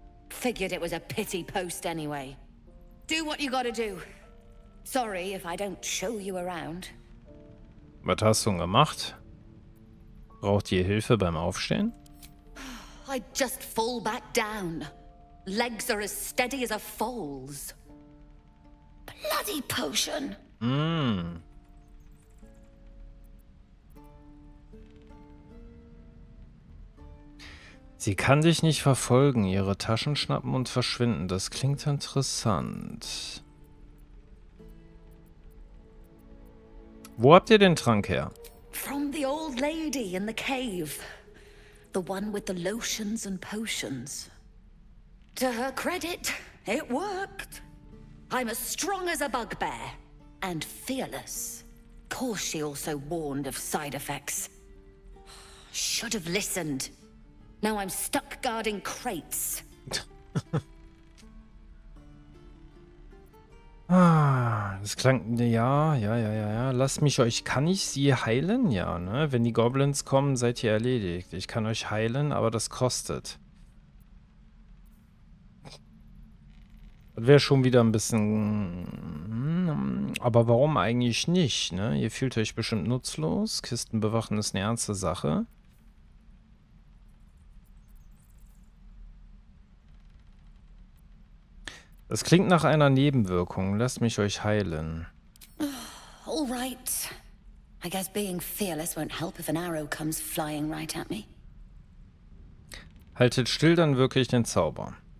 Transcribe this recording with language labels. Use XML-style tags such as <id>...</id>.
<en>Figured it was a pity post anyway. Do what you gotta do. Sorry if I don't show you around.</en> <de>Was hast du gemacht? Braucht ihr Hilfe beim Aufstehen?</de> <en>I just fall back down. Legs are as steady as a foal's. Bloody potion!</en> <de>Sie kann dich nicht verfolgen, ihre Taschen schnappen und verschwinden. Das klingt interessant. Wo habt ihr den Trank her?</de> <en>From the old lady in the cave. The one with the lotions and potions. To her credit, it worked. I'm as strong as a bugbear. And fearless. Of course she also warned of side effects. Should have listened. Now I'm stuck guarding crates.</en> <de>Das klang... Ja. Lasst mich euch... Kann ich sie heilen? Ja, ne? Wenn die Goblins kommen, seid ihr erledigt. Ich kann euch heilen, aber das kostet. Das wäre schon wieder ein bisschen... Aber warum eigentlich nicht, ne? Ihr fühlt euch bestimmt nutzlos. Kisten bewachen ist eine ernste Sache. Das klingt nach einer Nebenwirkung. Lasst mich euch heilen.</de> <en>All right. I guess being fearless won't help if an arrow comes flying right at me.</en> <de>Haltet still, dann wirke ich den Zauber.</de>